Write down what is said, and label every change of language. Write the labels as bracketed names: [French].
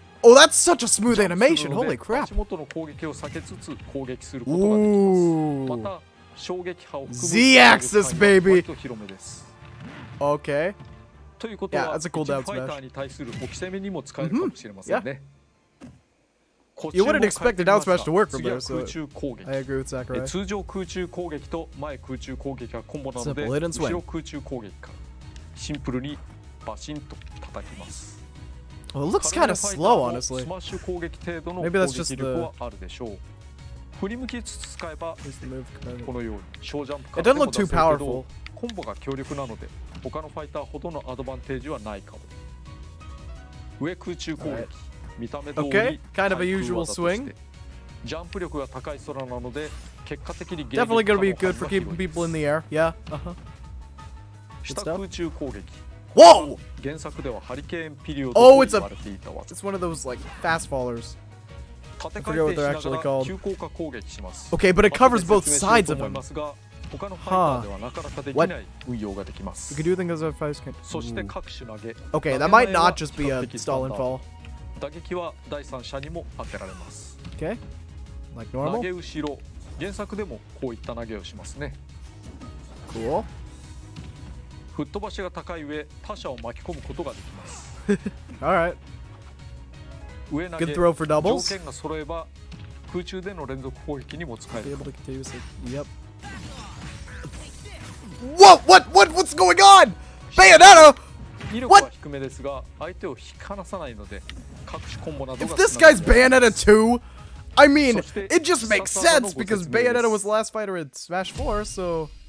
[English] Oh, that's such a smooth animation! Holy crap! [Japanese] 足元の攻撃を避けつつ攻撃することができます。また、衝撃波を含む [English] Z-axis, baby! [Japanese] と広めです。 [English] Okay. [Japanese] ということは、 [English] yeah, cool、 [Japanese] ファイターに対する置き攻めにも使えるかもしれませんね。 Mm-hmm. [English] Yeah. You wouldn't expect a down smash to work from there, so... [Japanese] 次は空中攻撃。 [English] I agree with Sakurai. [Japanese] 通常空中攻撃と前空中攻撃はコンボなので、後ろ空中攻撃か。シンプルにバシンと叩きます。 [English] Well, it looks kind of slow, honestly. [Japanese] スマッシュ攻撃程度の攻撃力はあるでしょう。振り向きつつ使えば、このように小ジャンプからでも出せるけど、コンボが強力なので、他のファイターほどのアドバンテージはないかも。上空中攻撃、見た目通り、 [English] kind of a usual swing. [Japanese] ジャンプ力が高い空なので、結果的に [English] ゲージ Definitely gonna be good for keeping people in the air. Yeah. Uh-huh. [Japanese] 下空中攻撃。 Whoa! 原作ではハリケーンピリオドと言われていた [English] 技。It's one of those like fast fallers. I forget what they're actually called. [Japanese] 急降下攻撃します。 [English] Okay, but it covers both sides of them. [Japanese] 他のファイターではなかなかできない運用ができます。 [English] You could do things as a fast can. [Japanese] そして各種投げ。 [English] Okay, that might not just be a stall and fall. [Japanese] 打撃は第三者にも当てられます。 [English] Okay, like normal. [Japanese] 投げ後ろ。原作でもこういった投げをしますね。 [English] Cool. [Japanese] 吹っ飛ばしが高い上、他者を巻き込むことができます。 [English] Alright. [Japanese] 上投げ、 [English] Good throw for doubles. [Japanese] 条件が揃えば、空中での連続攻撃にも使える。 [English] Be able to use it. Yep. What's going on? Bayonetta! [Japanese] 威力は低めですが、相手を引き離さないので、隠しコンボなどが [English] If this guy's Bayonetta 2, I mean, it just makes sense because Bayonetta was the last fighter in Smash 4, so...